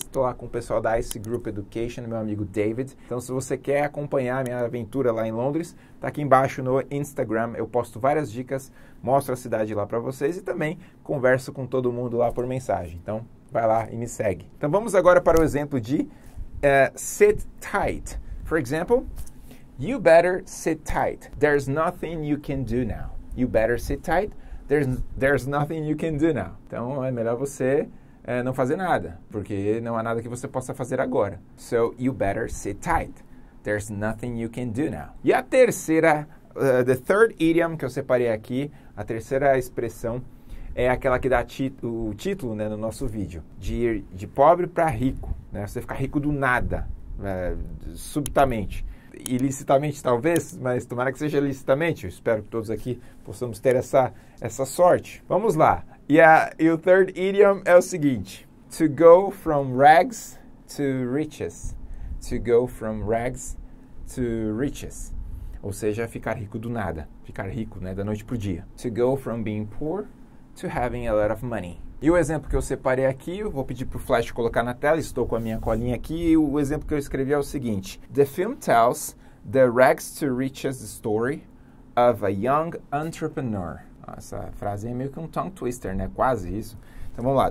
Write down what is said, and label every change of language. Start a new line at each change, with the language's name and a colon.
Portuguese: Estou lá com o pessoal da Ice Group Education, meu amigo David. Então, se você quer acompanhar a minha aventura lá em Londres, está aqui embaixo no Instagram. Eu posto várias dicas, mostro a cidade lá para vocês e também converso com todo mundo lá por mensagem. Então... vai lá e me segue. Então vamos agora para o exemplo de sit tight.
English: For example, you better sit tight. There's nothing you can do now. You better sit tight. There's nothing you can do now.
Portuguese: Então é melhor você não fazer nada, porque não há nada que você possa fazer agora.
English: So you better sit tight. There's nothing you can do now.
Portuguese: E a terceira,
English: the third idiom
Portuguese: que eu separei aqui, a terceira expressão, é aquela que dá o título, né, no nosso vídeo, de ir de pobre para rico, né? Você ficar rico do nada, subitamente, ilicitamente talvez, mas tomara que seja ilicitamente, eu espero que todos aqui possamos ter essa sorte. Vamos lá, e o
English: third idiom
Portuguese: é o seguinte,
English: to go from rags to riches, to go from rags to riches.
Portuguese: Ou seja, ficar rico do nada, ficar rico, né, da noite pro dia.
English: To go from being poor to having a lot of money.
Portuguese: E o exemplo que eu separei aqui, eu vou pedir para o Flash colocar na tela, estou com a minha colinha aqui, e o exemplo que eu escrevi é o seguinte.
English: The film tells the rags to riches story of a young entrepreneur.
Portuguese: Essa frase é meio que um tongue twister, né? Quase isso. Então vamos lá.